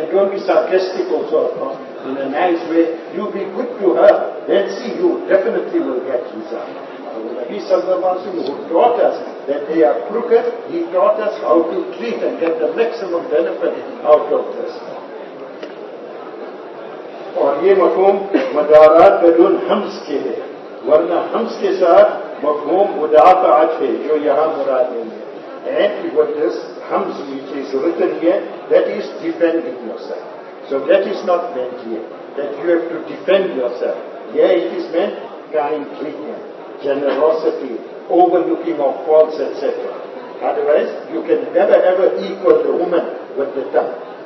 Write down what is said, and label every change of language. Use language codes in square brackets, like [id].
[en] And don't be sarcastic also, in a nice way. You be good to her, then see, you definitely will get Jesus. Nabi Sallallahu Alaihi Wasallam taught us that they are crooked. He taught us how to treat and get the maximum benefit out of this. [ur] اور یہ مفہوم مدارات بدون حمز کے ہے، ورنہ حمز کے ساتھ مفہوم مدافعات ہے جو یہاں مراد ہیں. [en] And what this حمز which is written here, that is defending yourself. So that is not meant here, that you have to defend yourself. Here it is meant kind treatment, generosity, overlooking of faults, etc. Otherwise, you can never ever equal the woman with the tongue.